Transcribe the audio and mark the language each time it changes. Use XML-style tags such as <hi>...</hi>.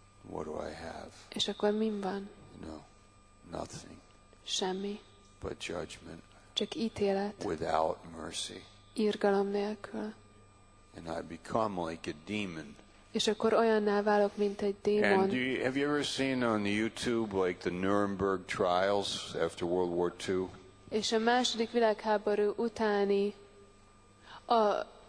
<en>What do I have?</en> <hu>És akkor min van?</hu> <en>No. Nothing.</en> <hu>Semmi.</hu> <en>But judgment.</en> <hu>Csak ítélet.</hu> <en>Without mercy.</en> <hu>Irgalom nélkül.</hu> <en>And I become like a demon.</en> <hu>És akkor olyanná válok, mint egy démon.</hu> <en>And have you ever seen on YouTube like the Nuremberg trials after World War II?</en> <hu>És a második világháború utáni a</hu>